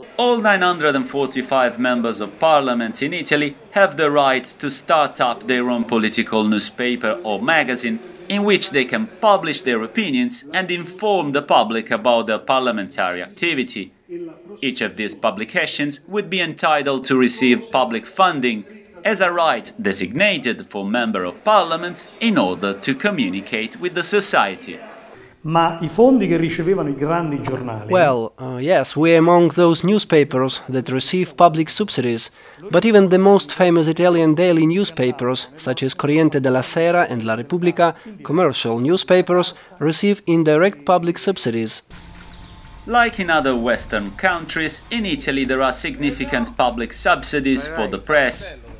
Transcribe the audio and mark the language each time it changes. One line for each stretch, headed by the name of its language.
English: All 945 members of parliament in Italy have the right to start up their own political newspaper or magazine in which they can publish their opinions and inform the public about their parliamentary activity. Each of these publications would be entitled to receive public funding as a right designated for Member of Parliament in order to communicate with the society.
Italian: Ma I fondi che ricevevano I grandi giornali.
English: Well, yes, we are among those newspapers that receive public subsidies, but even the most famous Italian daily newspapers, such as Corriente della Sera and La Repubblica, commercial newspapers, receive indirect public subsidies. Like in other Western countries, in Italy there are significant public subsidies for the press.